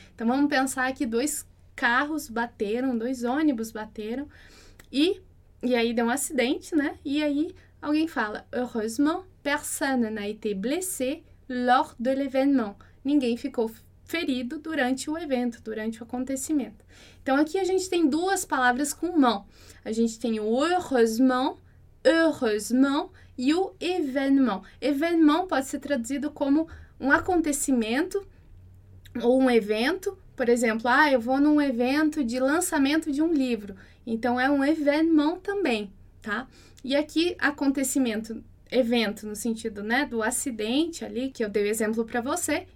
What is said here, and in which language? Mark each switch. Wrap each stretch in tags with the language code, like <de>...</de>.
<pt>Então, vamos pensar que dois carros bateram, dois ônibus bateram, e E aí deu um acidente, né? E aí alguém fala:</pt> <fr>Heureusement, personne n'a été blessé lors de l'événement.</fr> <pt>Ninguém ficou ferido durante o evento, durante o acontecimento. Então aqui a gente tem duas palavras com mão. A gente tem o heureusement, heureusement e o événement. Événement pode ser traduzido como um acontecimento ou um evento. Por exemplo, ah, eu vou num evento de lançamento de um livro. Então é um événement também, tá? E aqui acontecimento, evento no sentido, né, do acidente ali que eu dei o exemplo para você.</pt>